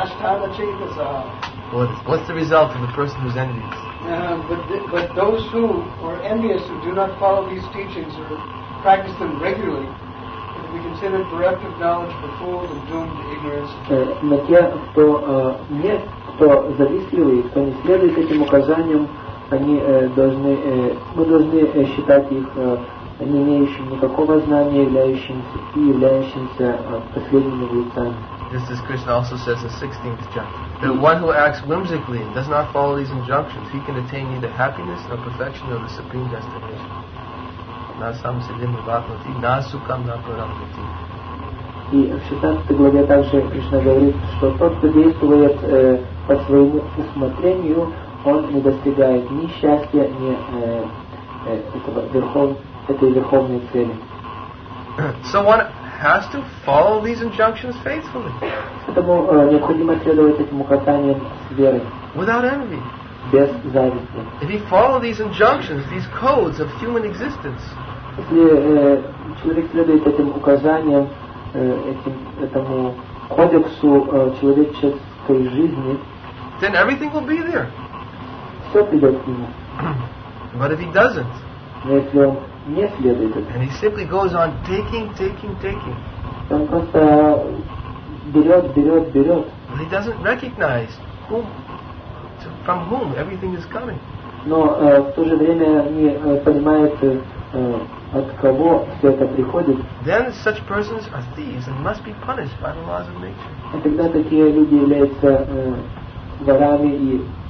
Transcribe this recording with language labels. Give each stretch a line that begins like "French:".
English: What's the result of the person who's envious? But those who are envious, who do not follow these teachings or practice them regularly, we consider bereft of knowledge, befooled, and doomed to ignorance.
Russian: Но те, кто не, кто завистливый, кто не следует этим указаниям, они должны, мы должны считать их не имеющим никакого знания, являющимся последними лицами.
English: Just as Krishna also says in 16th chapter, that one who acts whimsically and does not follow these injunctions, he can attain neither happiness nor perfection of the supreme destination. На самом деле мы бахнути, на сукам на парамути.
Russian: И в 16 главе также Кришна говорит, что тот, кто действует по своему усмотрению, он не достигает ни счастья, ни этой верховной цели.
English: So one has to follow these injunctions faithfully.
Russian: Поэтому необходимо следовать этим указаниям с верой.
English: Without envy.
Russian: Без зависти.
English: If you follow these injunctions, these codes of human existence.
Russian: Если человек следует этим указаниям, этому кодексу человеческой жизни,
English: then everything will be there.
Russian: Все придет к нему.
English: But if he doesn't,
Russian: если он не следует этому,
English: and he simply goes on taking,
Russian: он просто берет,
English: but he doesn't recognize from whom everything is coming.
Russian: Но в то же время не понимает, от кого все это приходит.
English: Then such persons are thieves and must be punished by the laws of nature.
Russian: И тогда такие люди являются ворами и